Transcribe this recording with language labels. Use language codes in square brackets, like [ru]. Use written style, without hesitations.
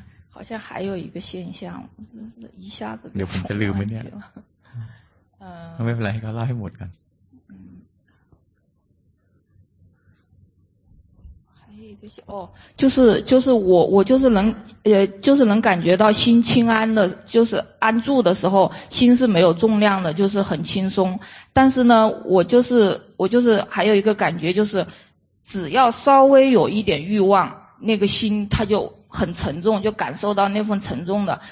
[zh] 好像还有一个现象一下子 [th] เดี๋ยวผมจะลืมไปเนี่ยไม่เป็นไรก็เล่าให้หมดกัน [zh] โอ้就是我就是能感觉到心轻安的，就是安住的时候心是没有重量的，就是很轻松。但是呢我就是还有一个感觉，就是只要稍微有一点欲望，那个心它就很沉重，就感受到那份沉重的。